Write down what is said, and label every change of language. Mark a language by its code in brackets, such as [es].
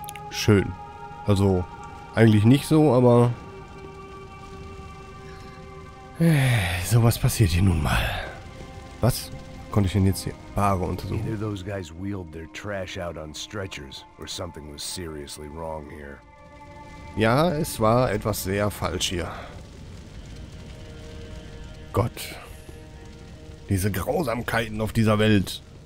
[de] Schön. Also, eigentlich nicht so, aber Sowas passiert hier nun mal. Was konnte ich denn jetzt hier? Paare untersuchen. [en] Either those guys wheeled their trash out on stretchers or something was seriously wrong here. [de] Ja, es war etwas sehr falsch hier. Gott. Diese Grausamkeiten auf dieser Welt.